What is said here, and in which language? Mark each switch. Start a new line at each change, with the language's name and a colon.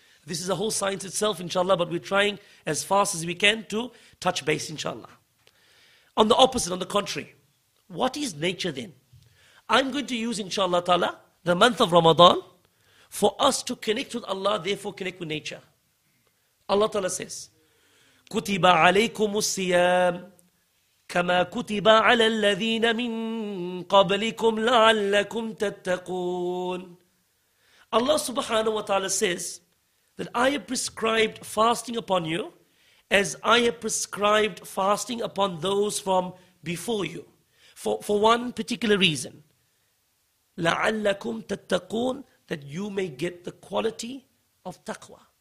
English: This is a whole science itself, inshallah, but we're trying as fast as we can to touch base, inshallah. On the opposite, on the contrary, what is nature then? I'm going to use, inshallah ta'ala, the month of Ramadan for us to connect with Allah, therefore connect with nature. Allah ta'ala says,
Arabic: كُتِبَ عَلَيْكُمُ السِّيَامِ كَمَا كُتِبَ عَلَى الَّذِينَ مِن قَبْلِكُمْ لَعَلَّكُمْ تَتَّقُونَ.
English: Allah subhanahu wa ta'ala says that I have prescribed fasting upon you as I have prescribed fasting upon those from before you for one particular reason.
Arabic: لَعَلَّكُمْ تَتَّقُونَ,
English: that you may get the quality of taqwa.